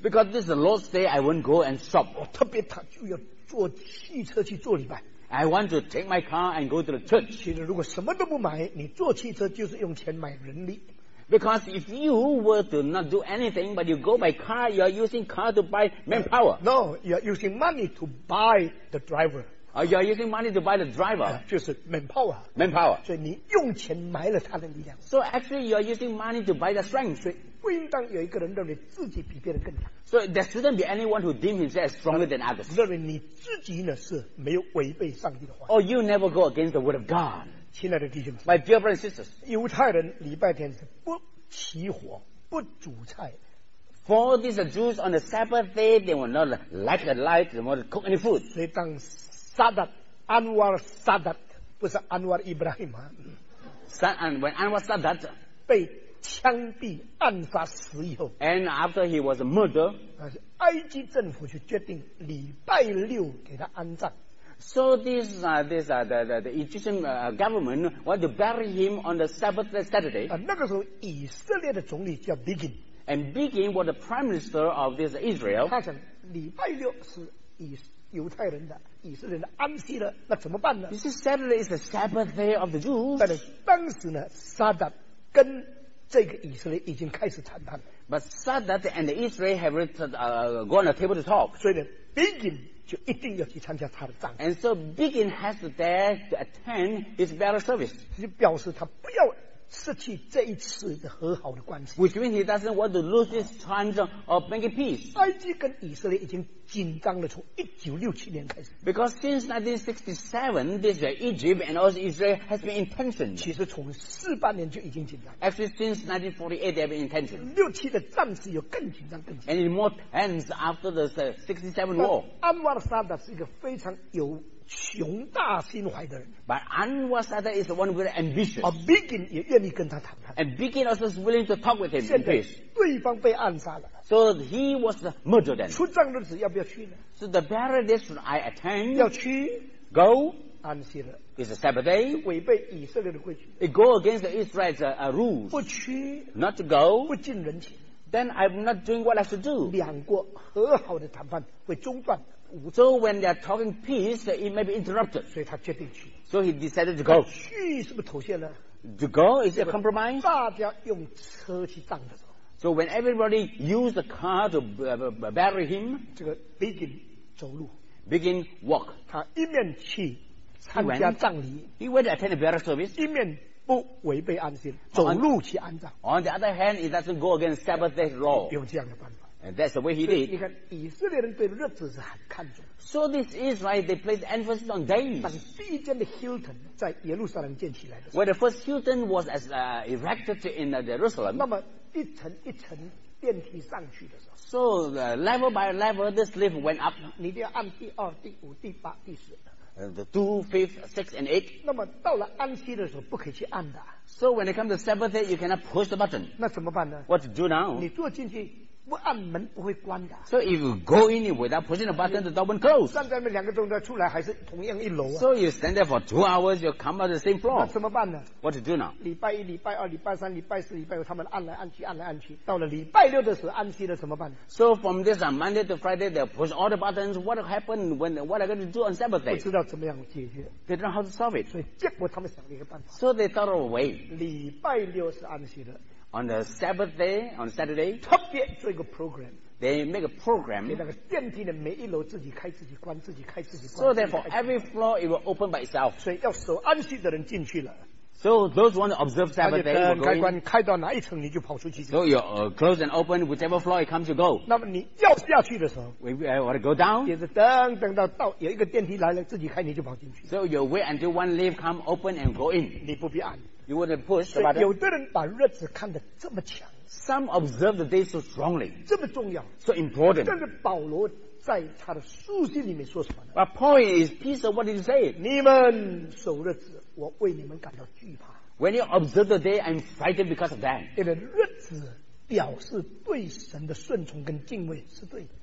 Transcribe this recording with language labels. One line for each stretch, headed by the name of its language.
English: Because this is the Lord's day, I won't go and shop.
Chinese: 我特别他就要坐汽车去做礼拜。
English: I want to take my car and go to the church.
Chinese: 其实如果什么都不买，你坐汽车就是用钱买人力。
English: Because if you were to not do anything, but you go by car, you are using car to buy manpower. No, you are using money to buy the driver. You are using money to buy the driver.
Chinese: 就是 manpower.
English: Manpower.
Chinese: 所以你用钱买了他的力量。
English: So actually, you are using money to buy the strength.
Chinese: 所以不应当有一个人认为自己比别人更强。
English: So there shouldn't be anyone who deems himself stronger than others.
Chinese: 认为你自己呢是没有违背上帝的话。
English: Or you never go against the word of God.
Chinese: 亲爱的弟兄们
English: My dear brothers and sisters,
Chinese: 犹太人礼拜天是不起火不煮菜
English: For these Jews on the Sabbath day they will not light a light they will not cook any food
Chinese: 所以当 Sadat Anwar Sadat 不是 Anwar Ibrahim
English: When Anwar Sadat
Chinese: 被枪毙暗杀死以后
English: And after he was murdered
Chinese: 埃及政府就决定礼拜六给他安葬
English: So the Egyptian government want to bury him on the Sabbath Saturday.
Chinese: 那个时候以色列的总理叫 Begin.
English: And Begin was the prime minister of this Israel.
Chinese: 他想礼拜六是以犹太人的以色列的安息的，那怎么办呢？
English: You see, Saturday is the Sabbath day of the Jews.
Chinese: 但是当时呢，撒旦跟这个以色列已经开始谈判了。
English: But Sadat and Israel have gone on the table to talk.
Chinese: 所以呢 ，Begin。就一定要去参加他的葬。
English: And so Begin has to dare to attend his burial service.
Chinese: 就表示他不要失去这一次的和好的关系。
English: Which means he doesn't want to lose his chance of making peace.
Chinese: 埃及跟以色列已经紧张了从1967年开始。
English: Because since 1967, this Egypt and also Israel has been in tension.
Chinese: 其实从48年就已经紧张。
English: Actually since 1948, they have been in tension.
Chinese: 67的战事又更紧张更紧张。
English: And it's more tense after the 67 war.
Chinese: 安瓦尔萨达是一个非常有穷大心怀的人
English: But Anwar Sadat is the one with ambition.
Chinese: Begin 也愿意跟他谈判
English: And Begin also is willing to talk with him in peace.
Chinese: 对方被暗杀了
English: So he was murdered then.
Chinese: 出葬日子要不要去呢
English: So the burial day should I attend?
Chinese: 要去
English: Go
Chinese: 安息日
English: It's a Sabbath day.
Chinese: 违背以色列的规矩
English: It go against the Israel's rules.
Chinese: 不去
English: Not to go
Chinese: 不近人情
English: Then I'm not doing what I should do.
Chinese: 两国和好的谈判会中断
English: So when they are talking peace, it may be interrupted.
Chinese: 所以他决定去。
English: So he decided to go.
Chinese: 去是不是妥协了
English: ？To go is a compromise.
Chinese: 大家用车去葬的时候。
English: So when everybody used the car to bury him,
Chinese: 这个 begin 走路
English: ，begin walk.
Chinese: 他一面去参加葬礼
English: ，he went to attend the burial service.
Chinese: 一面不违背安息，走路去安葬。
English: On the other hand, it doesn't go against Sabbath day law.
Chinese: 用这样的办法。
English: And that's the way he did.
Chinese: 你看，以色列人对日子是很看重。
English: So this is why they place emphasis on days.
Chinese: 当第一间的 Hilton 在耶路撒冷建起来的时候
English: ，where the first Hilton was erected in Jerusalem.
Chinese: 那么一层一层电梯上去的时候。
English: So level by level, this lift went up.
Chinese: 你就要按第二、第五、第八、第十。
English: The two, fifth, sixth, and eighth.
Chinese: 那么到了安息的时候，不可以去按的。
English: So when it comes to Sabbath day, you cannot push the button.
Chinese: 那怎么办呢
English: ？What to do now?
Chinese: 你坐进去。不按门不会关的。
English: So if you go in without pushing the button, the door won't close.
Chinese: 站在那两个钟头出来还是同样一楼啊。
English: So you stand there for two hours, you come out the same floor.
Chinese: 那怎么办呢
English: ？What to do now?
Chinese: 礼拜一、礼拜二、礼拜三、礼拜四、礼拜五，他们按来按去，按来按去。到了礼拜六的时候，安息了怎么办
English: ？So from this Monday to Friday, they push all the buttons. What happened when? What are going to do on Sabbath day?
Chinese: 不知道怎么样解决。
English: They don't know how to solve it.
Chinese: 所以结果他们想了一个办法。
English: So they thought of a way.
Chinese: 礼拜六是安息的。
English: On the Sabbath day, on Saturday,
Chinese: 特别做一个 program.
English: They make a program.
Chinese: 给那个电梯的每一楼自己开自己关，自己开自己关。
English: So therefore, every floor it will open by itself.
Chinese: 所以要守安息的人进去了。
English: So those who want to observe Sabbath day,
Chinese: 开关开到哪一层你就跑出去。
English: So you close and open whichever floor it comes to go.
Chinese: 那么你要下去的时候
English: ，We want to go down.
Chinese: 接着等等到有一个电梯来了自己开你就跑进去。
English: So you wait until one lift come open and go in.
Chinese: 你不必按。
English: You wouldn't push,
Chinese: 所以有的人把日子看得这么强
English: Some observe the day so strongly
Chinese: 这么重要
English: So important
Chinese: 但是保罗在他的书信里面说什么呢
English: But point is piece of what he said
Chinese: 你们守日子我为你们感到惧怕
English: When you observe the day I'm frightened because of them
Chinese: 因为日子表示对神的顺从跟敬畏是对的